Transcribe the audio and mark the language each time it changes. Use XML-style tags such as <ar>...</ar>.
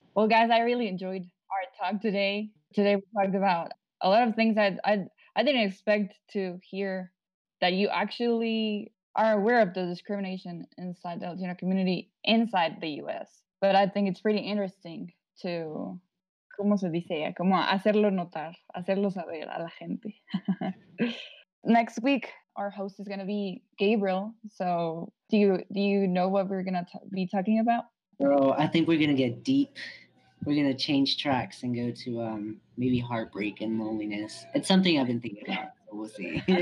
<en>Well, guys, I really enjoyed our talk today. Today we talked about a lot of things that I didn't expect to hear, that you actually are aware of the discrimination inside the Latino community inside the U.S. But I think it's pretty interesting to,</en> <es>¿cómo se dice? Como hacerlo notar, hacerlo saber a la gente.</es> <en>Next week, our host is going to be Gabriel. So do you know what we're going to be talking about? Bro, I think we're going to get deep. We're going to change tracks and go to maybe heartbreak and loneliness. It's something I've been thinking about. So we'll see.</en>